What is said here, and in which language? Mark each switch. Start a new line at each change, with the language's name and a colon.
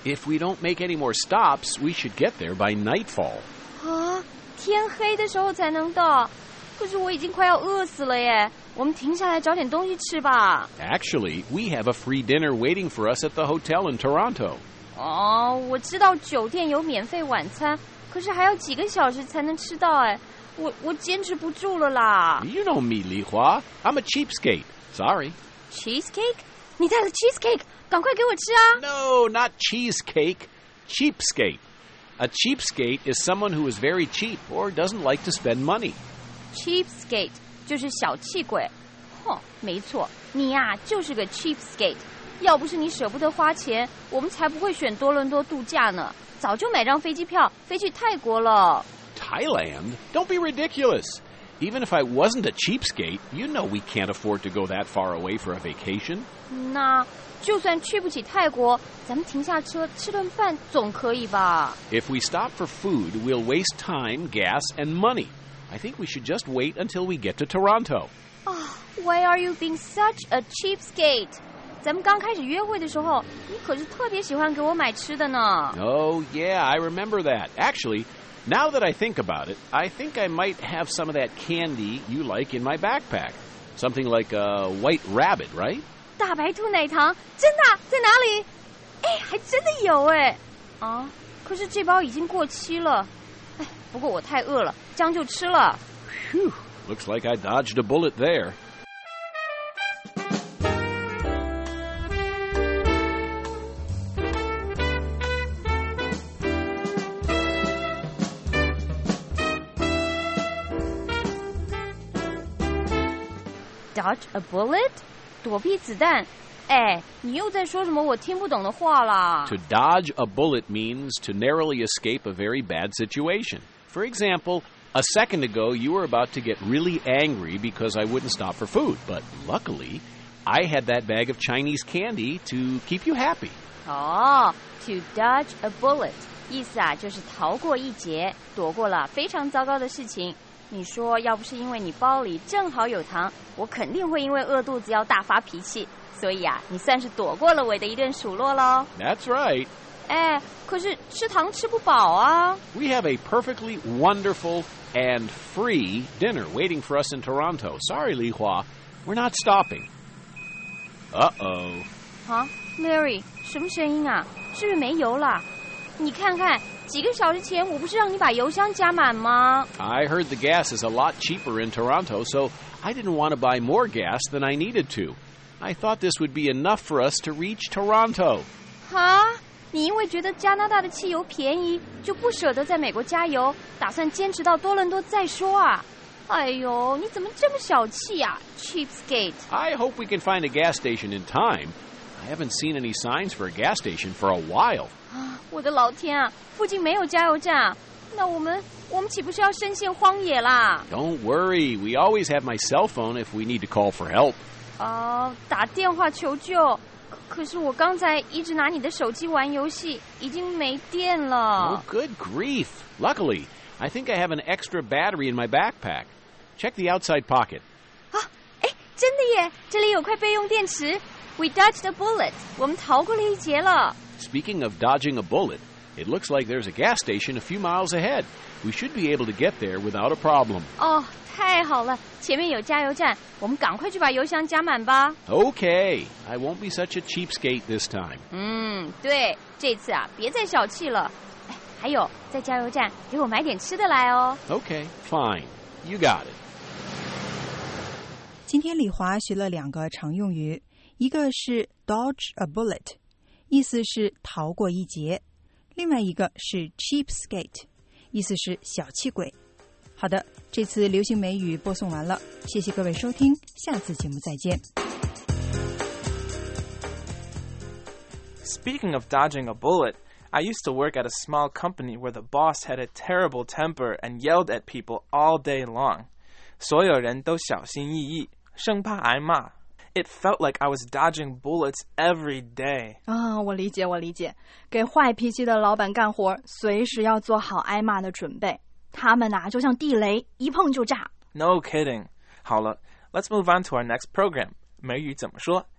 English: If we don't make any more stops, we should get there by nightfall.
Chinese: 啊，天黑的时候才能到，可是我已经快要饿死了耶，我们停下来找点东西吃吧。
English: Actually, we have a free dinner waiting for us at the hotel in Toronto.
Chinese: 哦，我知道酒店有免费晚餐，可是还要几个小时才能吃到哎，我坚持不住了啦。
English: You know me, Li Hua. I'm a cheapskate. Sorry.
Chinese: Cheesecake? 你带了 cheesecake? 赶快给我吃啊。
English: No, not cheesecake. Cheapskate. A cheapskate is someone who is very cheap or doesn't like to spend money.
Chinese: Cheapskate 就是小气鬼，哼，没错，你呀、啊、就是个 cheapskate。要不是你舍不得花钱，我们才不会选多伦多度假呢，早就买张飞机票飞去泰国了。
English: Thailand? Don't be ridiculous. Even if I wasn't a cheapskate, you know we can't afford to go that far away for a vacation.
Chinese: 那就算去不起泰国，咱们停下车吃顿饭总可以吧？
English: If we stop for food, we'll waste time, gas, and money. I think we should just wait until we get to Toronto. Oh, why are you being such a cheapskate?
Chinese: 咱们刚开始约会的时候，你可是特别喜欢给我买吃的呢。
English: Oh, yeah, I remember that. Actually, now that I think about it, I think I might have some of that candy you like in my backpack. Something like a white rabbit, right?
Chinese: 大白兔奶糖，真的，在哪里？哎，还真的有哎。啊，可是这包已经过期了。不过我太饿了，这样就吃了。
English: Phew, looks like I dodged a bullet there. Dodge a bullet?
Chinese: 躲避子弹。哎，你又在说什么我听不懂的话了。
English: To dodge a bullet means to narrowly escape a very bad situation. For example, a second ago, you were about to get really angry because I wouldn't stop for food. But luckily, I had that bag of Chinese candy to keep you happy. Oh, to dodge a bullet.
Chinese: 意思啊，就是逃过一劫，躲过了非常糟糕的事情。你说要不是因为你包里正好有糖，我肯定会因为饿肚子要大发脾气。所以啊，你算是躲过了我的一顿数落咯。
English: That's right.
Chinese: 哎，可是吃糖吃不饱啊。
English: We have a perfectly wonderful and free dinner waiting for us in Toronto. Sorry, Li Hua, we're not stopping. Uh-oh.
Chinese: Huh? Mary, 什么声音啊？是不是没油了？你看看，几个小时前我不是让你把油箱加满吗？
English: I heard the gas is a lot cheaper in Toronto, so I didn't want to buy more gas than I needed to. I thought this would be enough for us to reach Toronto. Huh?
Chinese: 你因为觉得加拿大的汽油便宜，就不舍得在美国加油，打算坚持到多伦多再说啊？哎呦，你怎么这么小气啊 ，cheapskate！ I hope we can find a gas station in time. I haven't seen any signs for a gas station for a while. 我的老天啊，附近没有加油站，那我们岂不是要深陷荒野啦
English: ？Don't worry, we always have my cell phone if we need to call for help.
Chinese: 哦，打电话求救。可是我刚才一直拿你的手机玩游戏，已经没电了。
English: Oh, good grief. Luckily, I think I have an extra battery in my backpack. Check the outside pocket.
Chinese: 啊，哎，真的耶，这里有块备用电池。
English: We dodged a bullet.
Chinese: 我们逃过了一劫了。
English: Speaking of dodging a bullet, it looks like there's a gas station a few miles ahead. We should be able to get there without a problem.
Chinese: 哦，太好了，前面有加油站，我们赶快去把油箱加满吧。
English: Okay, I won't be such a cheapskate this time.
Chinese: 嗯，对，这次啊，别再小气了。哎，还有，在加油站给我买点吃的来哦。
English: Okay, fine, you got it.
Chinese: 今天李华学了两个常用语，一个是 dodge a bullet， 意思是逃过一劫；另外一个是 cheapskate， 意思是小气鬼。好的，这次流行美语播送完了，谢谢各位收听，下次节目再见。
English: Speaking of dodging a bullet, I used to work at a small company where the boss had a terrible temper and yelled at people all day long.
Chinese: 所有人都小心翼翼，生怕挨骂。
English: It felt like I was dodging bullets every day.
Chinese: 啊，我理解，我理解。给坏脾气的老板干活，随时要做好挨骂的准备。他们啊，就像地雷，一碰就炸。
English: No kidding.
Chinese: 好了
English: ，Let's move on to our next program.
Chinese: 美语怎么说？